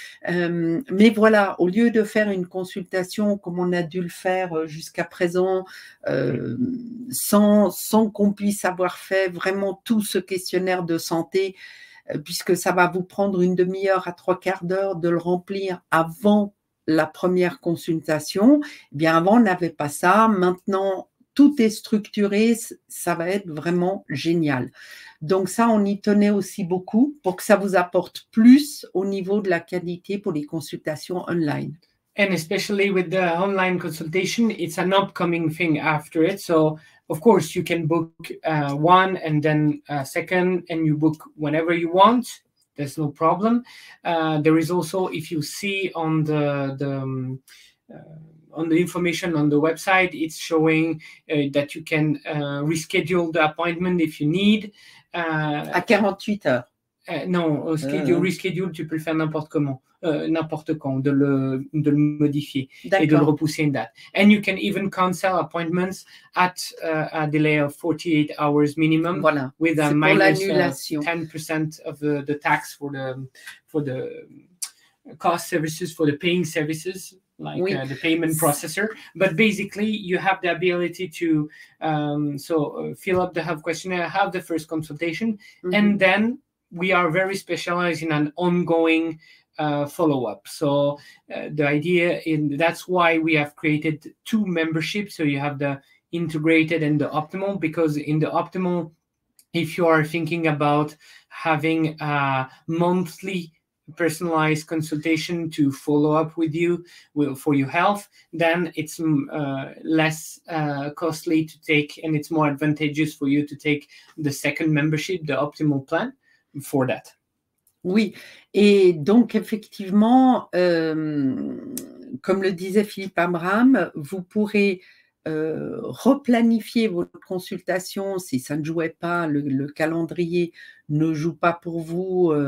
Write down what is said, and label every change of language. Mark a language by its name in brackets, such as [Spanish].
[French] Mais voilà, au lieu de faire une consultation comme on a dû le faire jusqu'à présent, sans qu'on puisse avoir fait vraiment tout ce questionnaire de santé, puisque ça va vous prendre une demi-heure à trois quarts d'heure de le remplir avant la première consultation. Eh bien avant, on n'avait pas ça. Maintenant, tout est structuré. Ça va être vraiment génial. Donc ça, on y tenait aussi beaucoup pour que ça vous apporte plus au niveau de la qualité pour les consultations online. [English] And especially with the online consultation, it's an upcoming thing after it. So of course you can book one and then a second, and you book whenever you want. There's no problem. There is also, if you see on the information on the website, it's showing that you can reschedule the appointment if you need. [French] À 48 heures. Non, reschedule, tu peux le faire n'importe comment, n'importe quand, de le modifier. D'accord. Et de le repousser en date. [English] And you can even cancel appointments at a delay of 48 hours minimum. [French] Voilà. [English] With a minus 10% of the tax for the cost services, for the paying services. Like [French] oui. [English] The payment processor, but basically you have the ability to fill up the health questionnaire, have the first consultation, mm-hmm. and then we are very specialized in an ongoing follow-up. So the idea in that's why we have created two memberships. So you have the integrated and the optimal, because in the optimal, if you are thinking about having a monthly personalized consultation to follow up with you for your health, then it's less costly to take, and it's more advantageous for you to take the second membership, the optimal plan for that. [French] Oui, et donc effectivement, comme le disait Philippe Abraham, vous pourrez replanifier votre consultation si ça ne jouait pas, le calendrier ne joue pas pour vous.